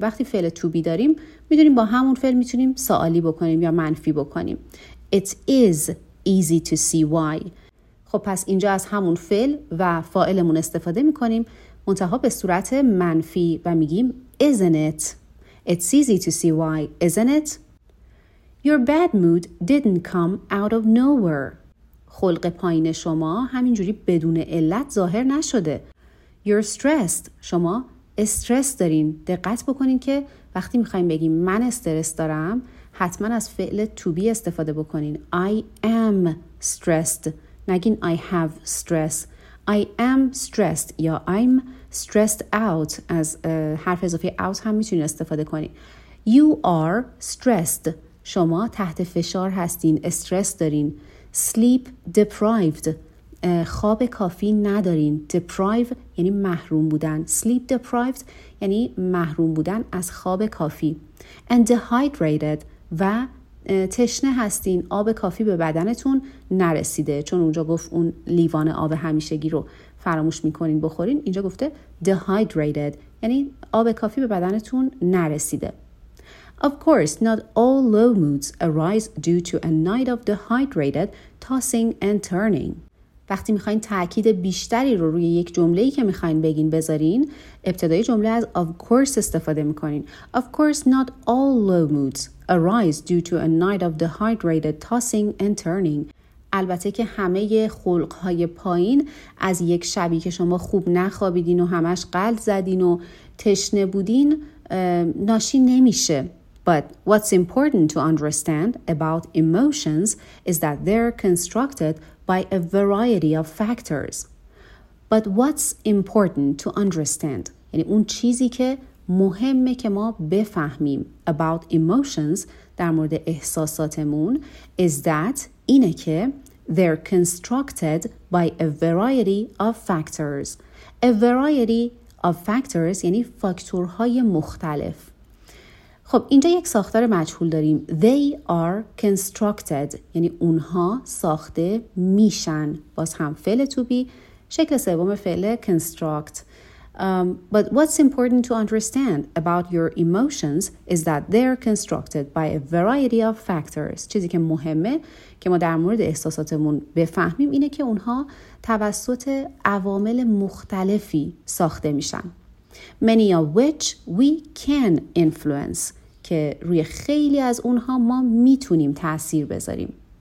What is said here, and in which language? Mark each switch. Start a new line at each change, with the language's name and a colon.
Persian: وقتی فعل تو بی داریم میدونیم با همون فعل میتونیم سوالی بکنیم یا منفی بکنیم.
English: It is easy to see why.
Persian: خب پس اینجا از همون فعل و فاعلمون استفاده میکنیم، منتها به صورت منفی، و میگیم
English: isn't it? It's easy to see why, isn't it? Your bad mood didn't come out of nowhere.
Persian: خلق پایین شما همینجوری بدون علت ظاهر نشده.
English: You're stressed.
Persian: شما استرس دارین. دقت بکنین که وقتی میخواییم بگیم من استرس دارم حتما از فعل to be استفاده بکنین.
English: I am stressed.
Persian: نگین
English: I have stress. I am stressed یا I'm stressed out.
Persian: از حرف اضافه out هم میتونین استفاده کنین.
English: You are stressed.
Persian: شما تحت فشار هستین. استرس دارین.
English: Sleep deprived.
Persian: خواب کافی ندارین. deprive یعنی محروم بودن.
English: sleep deprived
Persian: یعنی محروم بودن از خواب کافی.
English: and dehydrated
Persian: و تشنه هستین. آب کافی به بدنتون نرسیده، چون اونجا گفت اون لیوان آب همیشگی رو فراموش میکنین بخورین، اینجا گفته dehydrated یعنی آب کافی به بدنتون نرسیده.
English: Of course, not all low moods arise due to a night of dehydrated tossing and turning.
Persian: وقتی میخواین تأکید بیشتری رو روی یک جمله‌ای که میخواین بگین بذارین، ابتدای جمله از of course استفاده میکنین.
English: Of course, not all low moods arise due to a night of dehydrated tossing and turning.
Persian: البته که همه خلق‌های پایین از یک شبی که شما خوب نخوابیدین و همش غلط زدین و تشنه بودین ناشی نمیشه.
English: But what's important to understand about emotions is that they're constructed by a variety of factors. But what's important to understand,
Persian: یعنی اون چیزی که مهمه که ما بفهمیم
English: about emotions
Persian: در مورد احساساتمون،
English: is that
Persian: اینه که
English: they're constructed by a variety of factors. A variety of factors
Persian: یعنی فاکتورهای مختلف. خب اینجا یک ساختار مجهول داریم.
English: They are constructed
Persian: یعنی اونها ساخته میشن. باز هم فعل to be، شکل سوم فعل construct.
English: But what's important to understand about your emotions is that they're constructed by a variety of factors.
Persian: چیزی که مهمه که ما در مورد احساساتمون بفهمیم اینه که اونها توسط عوامل مختلفی ساخته میشن.
English: Many of which we can influence.
Persian: که روی خیلی از اونها ما میتونیم تأثیر بذاریم.